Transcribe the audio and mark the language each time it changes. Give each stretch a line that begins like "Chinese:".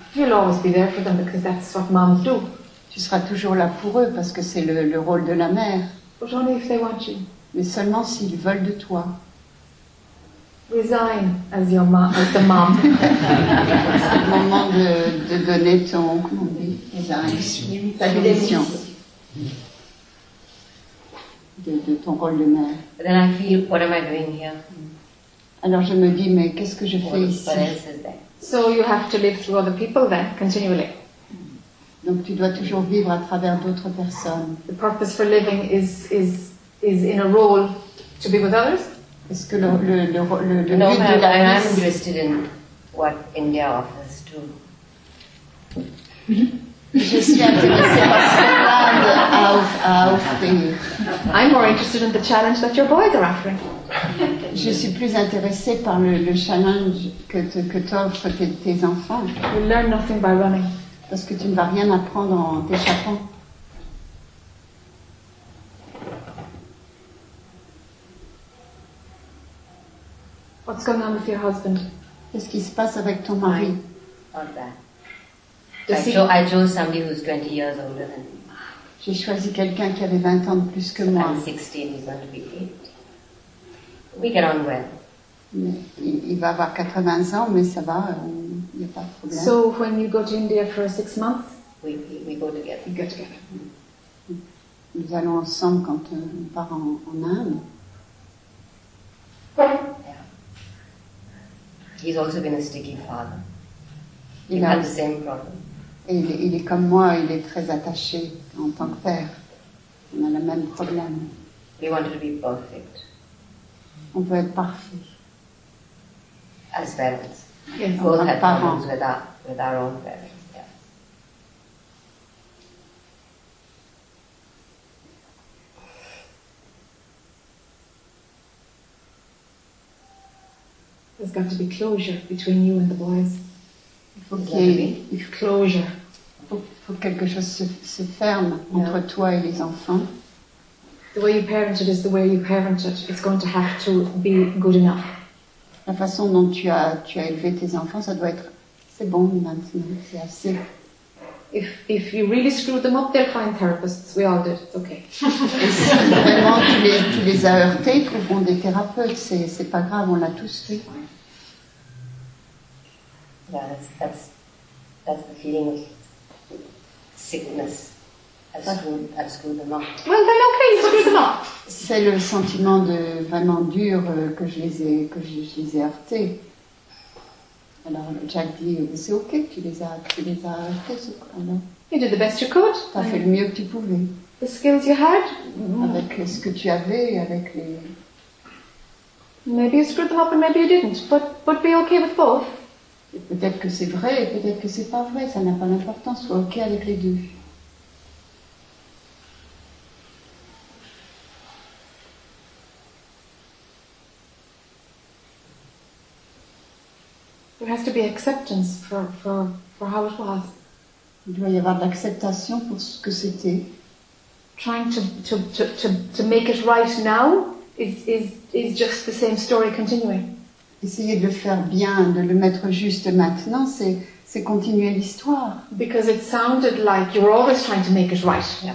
English: You'll always be there for them because that's what moms do.
French: Tu seras toujours là pour eux parce que c'est le rôle de la mère.
English: But only if they want you.
French: Mais seulement s'ils veulent de toi.
English: Resign as your mom. As the mom.
French: C'est le moment de donner ton, comment on dit, resign. Ta démission. De ton rôle de mère.
English: Then I feel, what am I doing here?
French: Alors je me dis, mais qu'est-ce que je fais ici?
English: So you have to live through other people then, continually.
French: Donc tu dois toujours vivre à travers d'autres personnes.
English: The purpose for living is in a role to be with others.
French: Est-ce que le but de la vie...
English: I'm interested in what India offers too.
French: Je suis intéressée par ce monde à offrir.
English: I'm more interested in the challenge that your boys are offering.
French: Je suis plus intéressée par le challenge que t'offrent tes enfants.
English: You learn nothing by running.
French: Parce que tu ne vas rien apprendre en t'échappant.
English: What's going on with your husband?
French: Qu'est-ce qui se passe avec ton mari?
English: I chose somebody who's 20 years older than me.
French: J'ai choisi quelqu'un qui avait 20 ans de plus que moi.
English: I'm 16, he's going to be 8. We get on well.
French: Il va avoir 80 ans, mais ça va, il n'y a pas de problème.
English: So when you go to India for 6 months? We go together. We go together.
French: Nous allons ensemble quand on part en Inde.
English: He's also been a sticky father. He had the same problem.
French: Et il est comme moi, il est très attaché en tant que père. On a le même problème.
English: We wanted to be perfect.
French: On veut être parfait.
English: As parents. Yes. We both had problems with our own parents. Yeah. There's got to be closure between you and the boys. Okay. Closure.
French: Faut quelque chose se ferme entre toi et les enfants.
English: The way you parent it is the way you parent it. It's going to have to be good enough.
French: La façon dont tu as élevé tes enfants, ça doit être c'est bon maintenant, c'est assez.
English: If you really screw them up, they'll find therapists. We all did. It's okay.
French: Si vraiment tu les as heurtés, trouveront des thérapeutes. C'est pas grave, on l'a tous fait.
English: That's the feeling of sickness. I screwed them up. Well, then okay, screw them up.
French: C'est le sentiment de vraiment dur que je les ai heurtés. Alors Jack dit, c'est okay, tu les as heurtés. Ce coup, alors.
English: You did the best you could.
French: T'as fait le mieux que tu pouvais.
English: The skills you had.
French: Avec ce que tu avais, avec les.
English: Maybe you screwed them up and maybe you didn't, but be okay with both.
French: Peut-être que c'est vrai et peut-être que c'est pas vrai, ça n'a pas d'importance, sois ok avec les deux.
English: There has to be acceptance for how it was.
French: Il doit y avoir de l'acceptation pour ce que c'était.
English: Trying to make it right now is just the same story continuing.
French: Essayer de le faire bien, de le mettre juste maintenant, c'est continuer l'histoire.
English: Because it sounded like you were always trying to make it right.